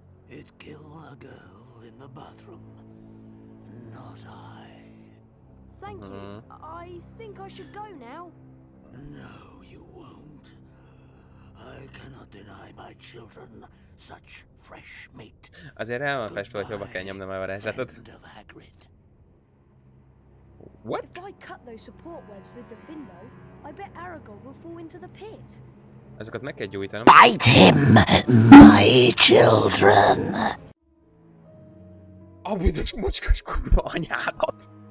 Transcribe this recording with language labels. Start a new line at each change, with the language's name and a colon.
English: It killed a girl in the bathroom, not I. Thank you. I think I should go now. No, you won't. I cannot deny my children such fresh meat.
Hungarian: Azért el van festve, hogy hova kell nyomnom a varázslatot.
English: What? If I cut those support webs with Defindo, I bet Aragog will fall into the pit.
Hungarian: Ezeket meg kell gyújtanom.
English: Bite him, my children!
Hungarian: A büdös mocskos kurva anyádat!